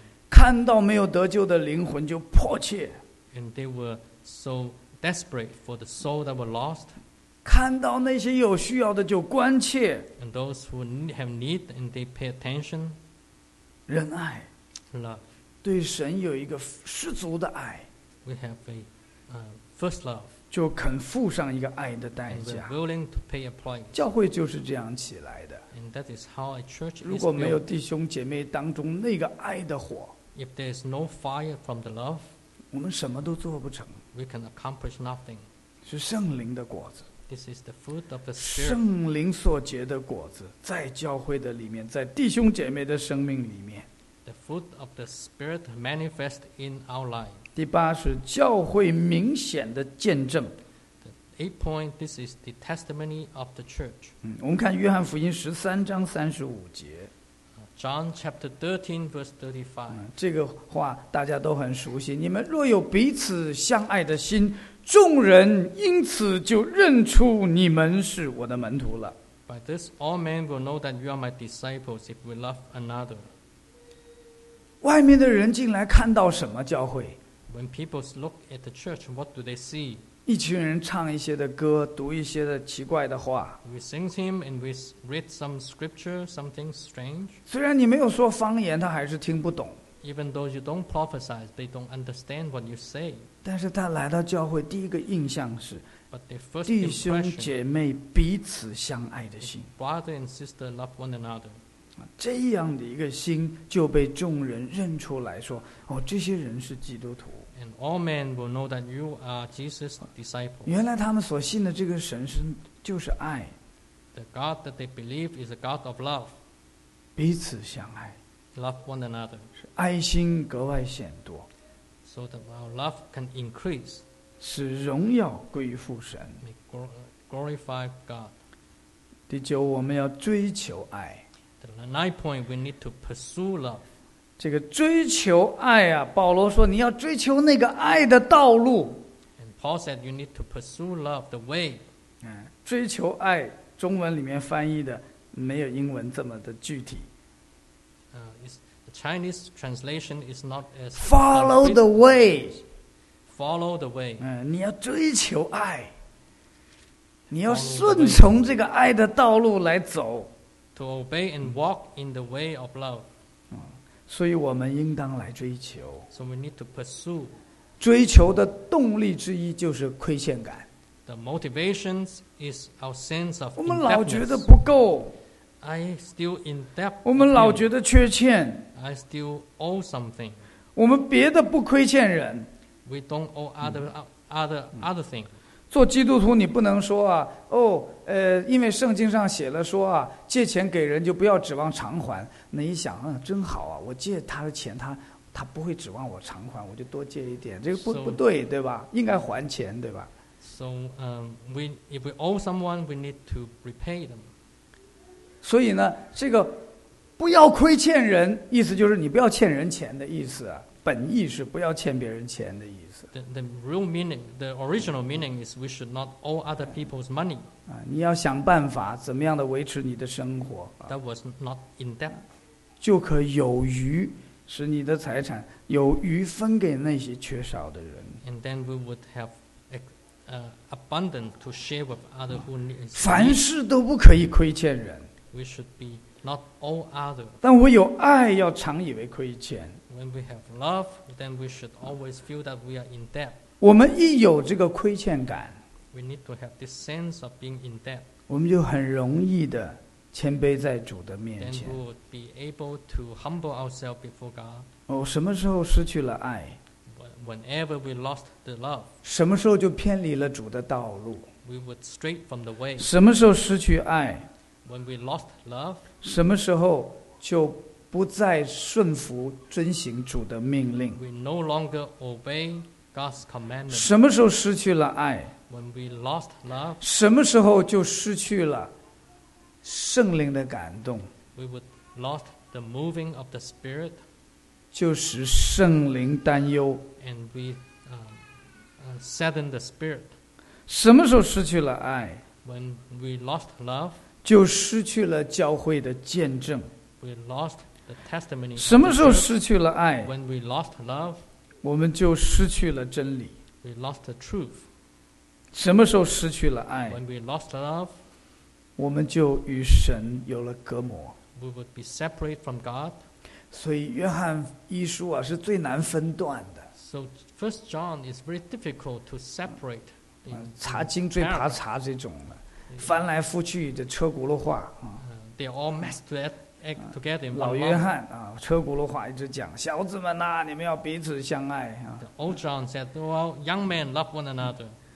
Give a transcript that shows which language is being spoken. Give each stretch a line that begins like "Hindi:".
Chinese: 看到没有得救的灵魂就迫切。
English: And they were. So desperate for the soul that were lost.
Chinese: 看到那些有需要的就关切。
English: And those who have need and they pay attention.
Chinese: 仁爱。
English: Love.
Chinese: 对神有一个十足的爱。
English: We have a first love.
Chinese: 就肯付上一个爱的代价。
English: And we're willing to pay a price.
Chinese: 教会就是这样起来的。
English: And that is how a church is.
Chinese: 如果没有弟兄姐妹当中那个爱的火。
English: If there is no fire from the love.
Chinese: 我们什么都做不成。
English: We can accomplish nothing.
Chinese: 是圣灵的果子。
English: This is the fruit of the spirit.
Chinese: 圣灵所结的果子，在教会的里面，在弟兄姐妹的生命里面。
English: The fruit of the spirit manifest in our life.
Chinese: 第八是教会明显的见证。
English: The eighth point, this is the testimony of the church.
Chinese: 我们看约翰福音十三章三十五节。
English: John chapter 13 verse 35.
Chinese: 这个话大家都很熟悉。你们若有彼此相爱的心，众人因此就认出你们是我的门徒了。
English: By this, all men will know that you are my disciples if we love another.
Chinese: 外面的人进来看到什么教会？
English: When people look at the church, what do they see?
Chinese: 一群人唱一些的歌，读一些的奇怪的话。
English: We sing him and we read some scripture, something strange.
Chinese: 虽然你没有说方言，他还是听不懂。
English: Even though you don't prophesy, they don't understand what you say.
Chinese: 但是他来到教会，第一个印象是
English: But the first
Chinese: 弟兄姐妹彼此相爱的心。
English: Brother and sister love one another.
Chinese: 这样的一个心就被众人认出来说，哦，这些人是基督徒。
English: And all men will know that you are Jesus' disciple.
Chinese: 原来他们所信的这个神是就是爱。
English: The God that they believe is a God of love.
Chinese: 彼此相爱。
English: Love one another.
Chinese: 是爱心格外显多。
English: So that our love can increase.
Chinese: 使荣耀归于父神。
English: May glorify God.
Chinese: 第九，我们要追求爱。
English: The ninth point, we need to pursue love.
Chinese: 这个追求爱啊，保罗说你要追求那个爱的道路。
English: And Paul said you need to pursue love the way.
Chinese: 追求爱，中文里面翻译的没有英文这么的具体。
English: The Chinese translation is not as follow the way. Follow the way.
Chinese: 你要追求爱。你要顺从这个爱的道路来走。
English: To obey and walk in the way of love.
Chinese: 所以我们应当来追求。
English: So we need to pursue.
Chinese: 追求的动力之一就是亏欠感。
English: The motivation is our sense of indebtedness.
Chinese: 我们老觉得不够。
English: I still in debt.
Chinese: 我们老觉得缺欠。
English: I still owe something.
Chinese: 我们别的不亏欠人。
English: We don't owe other things.
Chinese: 做基督徒你不能说啊，哦，因为圣经上写了说啊，借钱给人就不要指望偿还。那一想，嗯，真好啊，我借他的钱，他不会指望我偿还，我就多借一点，这个不对，对吧？应该还钱，对吧？
English: So, if we owe someone, we need to repay them.
Chinese: 所以呢，这个不要亏欠人，意思就是你不要欠人钱的意思啊。本意是不要欠别人钱的意思。
English: The real meaning, the original meaning is we should not owe other people's money.
Chinese: 啊，你要想办法怎么样的维持你的生活。
English: That was not in debt.
Chinese: 就可有余，使你的财产有余分给那些缺少的人。
English: And then we would have. Abundant to share with other who need.
Chinese: 凡事都不可以亏欠人。
English: We should be not all other.
Chinese: 但我有爱，要常以为亏欠。
English: When we have love, then we should always feel that we are in debt.
Chinese: 我们一有这个亏欠感
English: ，We need to have this sense of being in debt.
Chinese: 我们就很容易的谦卑在主的面前。
English: Then we would be able to humble ourselves before God.
Chinese: 哦，什么时候失去了爱？
English: Whenever we lost the love,
Chinese: 什么时候就偏离了主的道路
English: ？We would stray from the way.
Chinese: 什么时候失去爱
English: ？When we lost love.
Chinese: 什么时候就不再顺服遵行主的命令
English: ？We no longer obey God's commandment.
Chinese: 什么时候失去了爱
English: ？When we lost love.
Chinese: 什么时候就失去了圣灵的感动
English: ？We would lost the moving of the Spirit.
Chinese: 就使圣灵担忧。
English: And we sadden the spirit.
Chinese: 什么时候失去了爱
English: ？When we lost love.
Chinese: 就失去了教会的见证。
English: We lost the testimony.
Chinese: 什么时候失去了爱
English: ？When we lost love.
Chinese: 我们就失去了真理。
English: We lost the truth.
Chinese: 什么时候失去了爱
English: ？When we lost love.
Chinese: 我们就与神有了隔膜。
English: We would be separate from God.
Chinese: 所以约翰一书啊是最难分段的。
English: So First John is very difficult to separate.
Chinese: 查经最怕查这种的，翻来覆去的车轱辘话。
English: They're all messed together.
Chinese: 老约翰啊，车轱辘话一直讲，小子们呐，你们要彼此相爱啊。
English: The old John said, "Well, young men love one another."